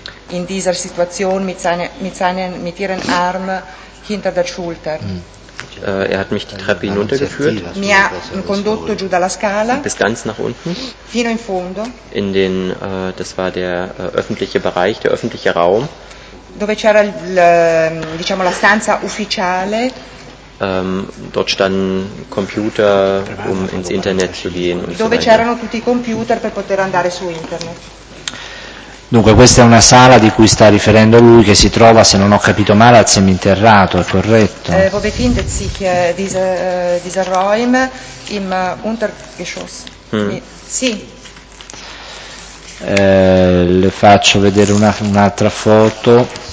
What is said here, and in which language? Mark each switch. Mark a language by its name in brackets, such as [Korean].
[German] In dieser Situation mit ihren Arm hinter der Schulter. Er hat mich die Treppe hinuntergeführt. [Italian] Mi ha condotto giù dalla scala. [German] Bis ganz nach unten. [Italian] Fino in fondo. [German] In den, das war der öffentliche Bereich, der öffentliche Raum. [Italian] Dove c'era diciamo la stanza ufficiale. [German] Dort standen Computer, um ins Internet zu gehen. [Italian] Dove c'erano tutti i computer per poter andare su Internet. Dunque questa è una sala di cui sta riferendo lui che si trova, se non ho capito male, al seminterrato, è corretto? [German] Wo befindet sich dieser Raum im Untergeschoss? [Italian] Sì. Le faccio vedere un'altra foto.